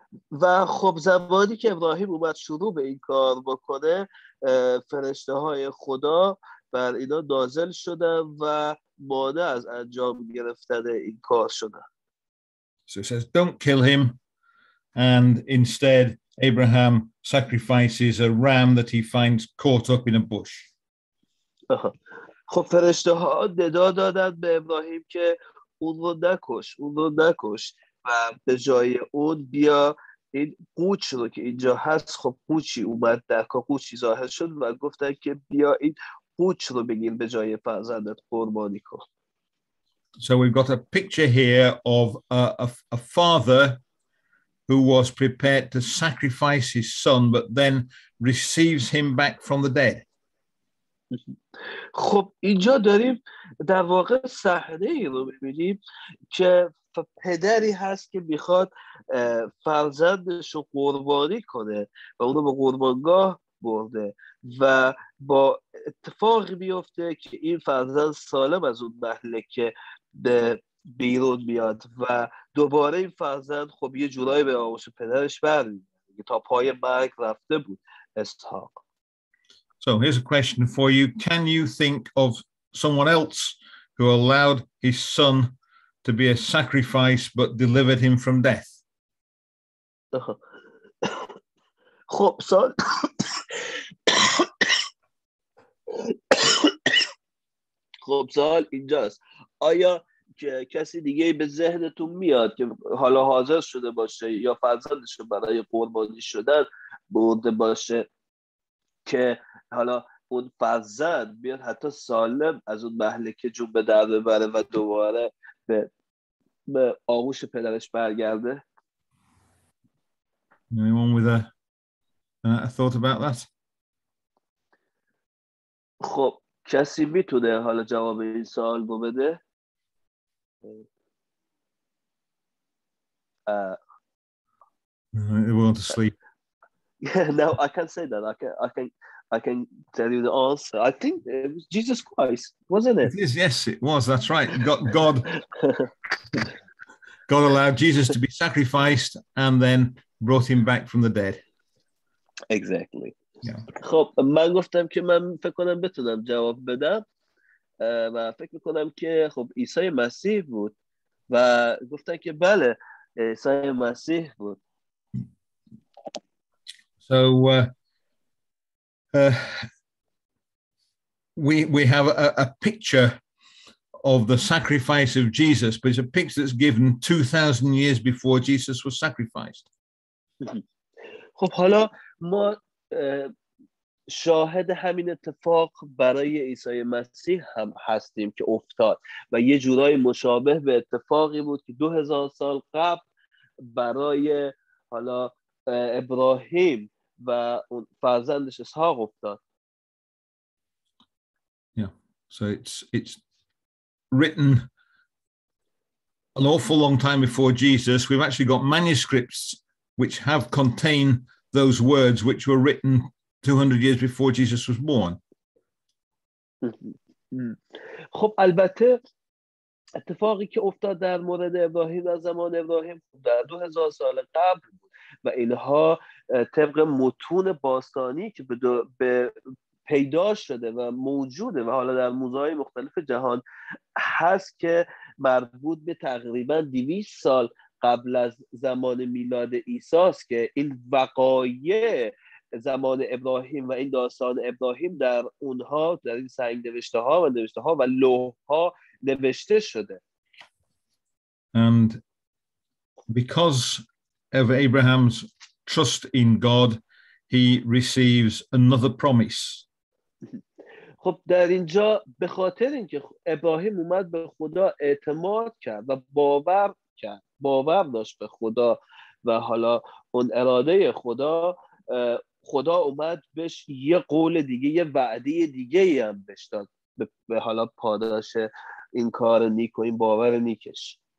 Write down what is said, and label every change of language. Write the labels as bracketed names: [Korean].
[Persian] و خب زمانی که ابراهیم اومد شروع به این کار بکنه فرشته های خدا بر اینا نازل شده و مانع از انجام گرفتن این کار شده. [English] So it says don't kill him and instead Abraham sacrifices a ram that he finds caught up in a bush. [Persian] خب فرشته ها ندا دادن به ابراهیم که اون رو نکش، اون رو نکش و به جای اون بیا این قوچ رو که اینجا هست. خب قوچی اومد در که قوچی ظاهر شد و گفتن که بیا این قوچ رو بگیر به جای فرزندت قربانی کن. [English] So we've got a picture here of a father who was prepared to sacrifice his son but then receives him back from the dead. [Persian] خب اینجا داریم در واقع صحنه ای رو می‌بینیم که پدری هست که میخواد فرزندش رو قربانی کنه و اون رو به قربانگاه برده و با اتفاقی میفته که این فرزند سالم از اون مهلکه بیرون میاد و دوباره این فرزند خب یه جورایی به آغوش پدرش برمیگرده تا پای مرگ رفته بود اسحاق. [English] So here's a question for you. Can you think of someone else who allowed his son to be a sacrifice but delivered him from death? [Persian] خب سال خب سال اینجاست، آیا که کسی دیگه به ذهنتون میاد که حالا حاضر شده باشه یا فرزندش برای قربانی شدن برده باشه که حالا اون فرزند بیاد حتی سالم از اون مهلکه جون به در ببره و دوباره به آغوش پدرش برگرده؟ [English] Anyone with a thought about that? [Persian] خب کسی میتونه حالا جواب این سوال رو بده؟ [English] They want to sleep. No, I can't say that. I can tell you the answer. I think it was Jesus Christ, wasn't it? It is, yes, it was. That's right. God God allowed Jesus to be sacrificed and then brought him back from the dead. Exactly. Yeah. [Persian] خب من گفتم که من فکر کنم بتونم جواب بدم و فکر میکنم که خب عیسی مسیح بود و گفتن که بله عیسی مسیح بود. [English] So we have a picture of the sacrifice of Jesus, but it's a picture that's given 2,000 years before Jesus was sacrificed. [Persian] خب حالا ما شاهد همین اتفاق برای عیسی مسیح هم هستیم که افتاد و یه جورای مشابه به اتفاقی بود که 2000 سال قبل برای حالا ابراهیم و فرزندش اسحاق افتاد. [English] Yeah, so it's written an awful long time before Jesus. We've actually got manuscripts which have contained those words which were written 200 years before Jesus was born. [Persian] خب البته اتفاقی که افتاد در مورد ابراهیم در زمان ابراهیم در 2000 سال قبل بود و اینها طبق متون باستانی که به پیدا شده و موجوده و حالا در موزه‌های مختلف جهان هست که مربوط به تقریبا 200 سال قبل از زمان میلاد عیسی است که این وقایع زمان ابراهیم و این داستان ابراهیم در اونها در این سنگ نوشته ها و نوشته ها و لوح ها نوشته شده. [English] And because of Abraham's trust in God, he receives another promise. [Persian] خب در اینجا به خاطر اینکه ابراهیم اومد به خدا اعتماد کرد و باور کرد، باور داشت به خدا و حالا اون اراده خدا، خدا اومد بهش یه قول دیگه، یه وعده دیگه ای هم بهش داد به حالا پاداش این کار نیک و این باور نیکش.